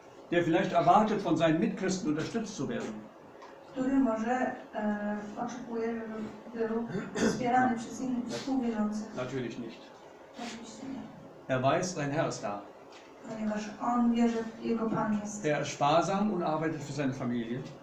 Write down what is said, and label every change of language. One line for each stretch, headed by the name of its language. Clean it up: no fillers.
German: Der vielleicht erwartet, von seinen Mitchristen unterstützt zu werden.
Polish: Który może oczekuje, żeby był wspierany przez innych współwierzących.
German: Natürlich nicht.
Polish: Oczywiście nie.
German: Er weiß, sein Herr ist da.
Polish: Ponieważ on wie, że jego Pan jest.
German: Er ist sparsam und arbeitet für seine Familie.